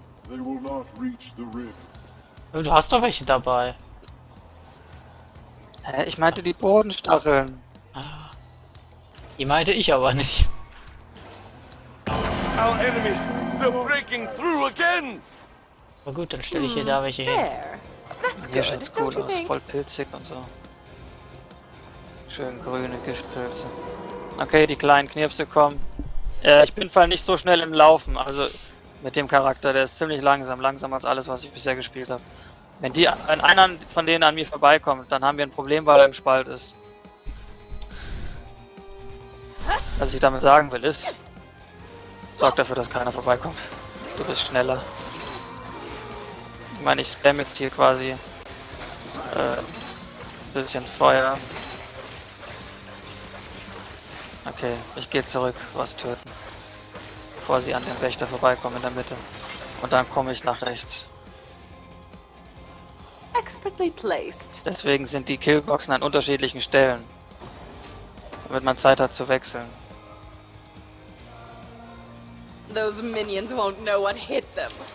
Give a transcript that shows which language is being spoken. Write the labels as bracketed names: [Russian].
[English] They will not reach the rift. [German] Du hast doch welche dabei. Hä? Ich meinte die Bodenstacheln. Die meinte ich aber nicht. [English] Our enemies, they're breaking through again. [German] Na gut, dann stelle ich hier da welche hin. [English] That's good, [German] hier schaut's gut aus, voll pilzig und so. Schön grüne Giftpilze. Okay, die kleinen Knirpse kommen. Ich bin vor allem nicht so schnell im Laufen, also mit dem Charakter, der ist ziemlich langsam, langsamer als alles, was ich bisher gespielt habe. Wenn die, wenn einer von denen an mir vorbeikommt, dann haben wir ein Problem, weil er im Spalt ist. Was ich damit sagen will ist, sorg dafür, dass keiner vorbeikommt. Du bist schneller. Ich meine, ich spam jetzt hier quasi bisschen Feuer. Okay, ich gehe zurück, was töten. Bevor sie an den Wächter vorbeikommen in der Mitte. Und dann komme ich nach rechts. [English] Expertly placed. [German] Deswegen sind die Killboxen an unterschiedlichen Stellen. Damit man Zeit hat zu wechseln. [English] Those minions won't know what hit them.